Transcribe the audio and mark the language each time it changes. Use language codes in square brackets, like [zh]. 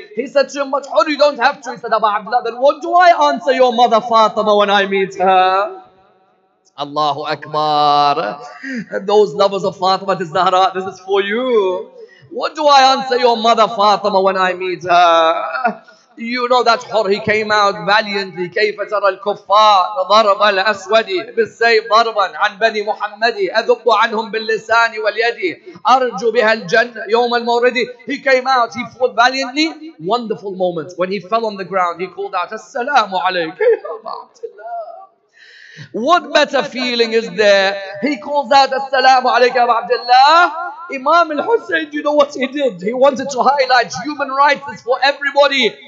[en] He said to him, but Hur, you don't have to. He said, Aba Abdullah, then what do I answer your mother Fatima when I meet her? Allahu Akbar. Those lovers of Fatima, Zahra, this is for you. What do I answer your mother Fatima when I meet her? You know that he came out valiantly. [ar] كيف ترى الكفار ضرب الأسود بالسيف ضربا عن بني محمد أذب عنهم باللسان واليد أرجو بها الجنة يوم المورد. [en] He came out, he fought valiantly. Wonderful moment. When he fell on the ground, he called out, [ar] السلام عليك. [en] What better feeling is there? He calls out, Assalamu alaikum, Abu Abdullah. Imam al-Hussein, you know what he did? He wanted to highlight human rights is for everybody.